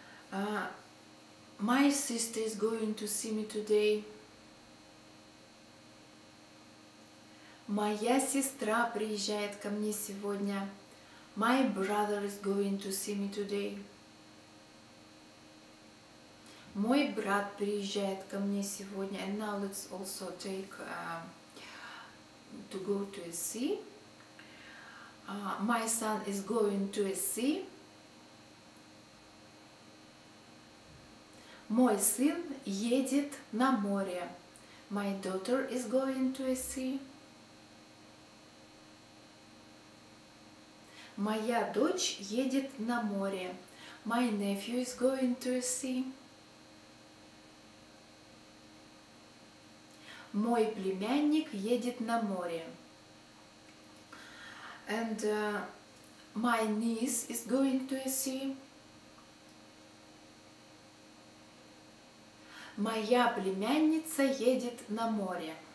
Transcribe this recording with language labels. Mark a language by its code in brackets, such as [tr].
[en] My sister is going to see me today. [ru] Моя сестра приезжает ко мне сегодня. [en] My brother is going to see me today. [ru] Мой брат приезжает ко мне сегодня. [en] And now let's also take to go to a sea. My son is going to a sea. [ru] Мой сын едет на море. [en] My daughter is going to a sea. [ru] Моя дочь едет на море. [en] My nephew is going to a sea. [ru] Мой племянник едет на море. [en] And my niece is going to a sea. [ru] Моя племянница едет на море.